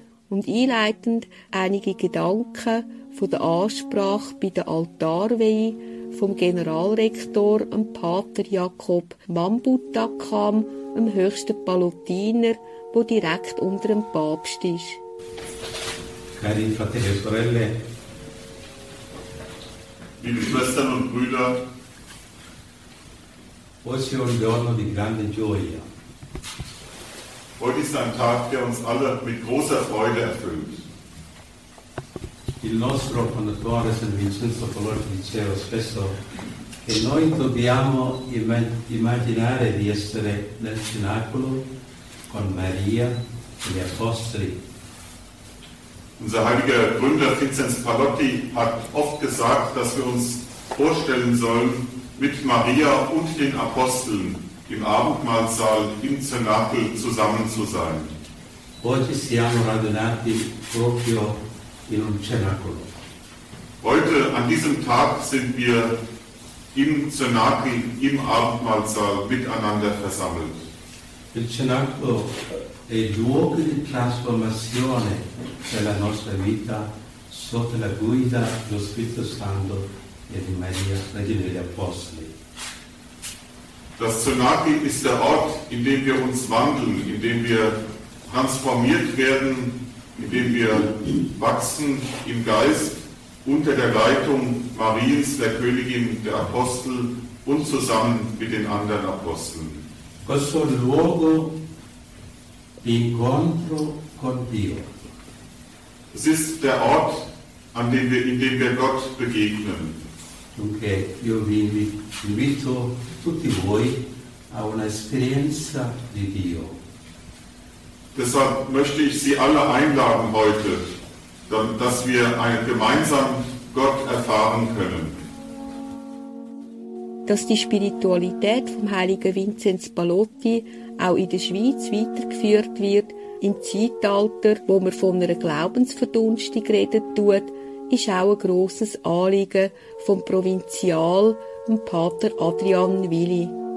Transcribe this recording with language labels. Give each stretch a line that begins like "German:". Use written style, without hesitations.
German: Und einleitend einige Gedanken von der Ansprache bei der Altarweihe vom Generalrektor, dem Pater Jakob Mambuta, kam, dem höchsten Palutiner, der direkt unter dem Papst ist.
Italian: Cari fratelli e sorelle,
German: liebe Schwestern und Brüder,
Italian: oggi è un giorno di grande gioia.
German: Heute ist ein Tag, der uns alle mit großer Freude erfüllt.
Italian: Il nostro fondatore San Vincenzo Palotti diceva spesso che noi dobbiamo immaginare di essere nel cenacolo con Maria e gli Apostoli.
German: Unser heiliger Gründer Vincenzo Palotti hat oft gesagt, dass wir uns vorstellen sollen, mit Maria und den Aposteln im Abendmahlsaal im Cenacel zusammen zu sein.
Italian: Oggi siamo radunati proprio in un cenacolo.
German: Heute, an diesem Tag, sind wir im Cenacli, im Abendmahlsaal, miteinander versammelt.
Italian: Il cenacolo è il luogo di trasformazione della nostra vita sotto la guida dello Spirito Santo e di Maria, Regina degli Apostoli.
German: Das Cenacli ist der Ort, in dem wir uns wandeln, in dem wir transformiert werden, indem wir wachsen im Geist unter der Leitung Mariens, der Königin der Apostel und zusammen mit den anderen Aposteln.
Italian: Questo luogo di incontro con Dio.
German: Es ist der Ort, an dem wir, in dem wir Gott begegnen.
Italian: Dunque, io vi invito tutti voi a una esperienza di Dio.
German: Deshalb möchte ich Sie alle einladen heute, dass wir gemeinsam Gott erfahren können. Dass die Spiritualität vom heiligen Vinzenz Palotti auch in der Schweiz weitergeführt wird, im Zeitalter, wo man von einer Glaubensverdunstung redet tut, ist auch ein grosses Anliegen vom Provinzial, dem Pater Adrian Willi.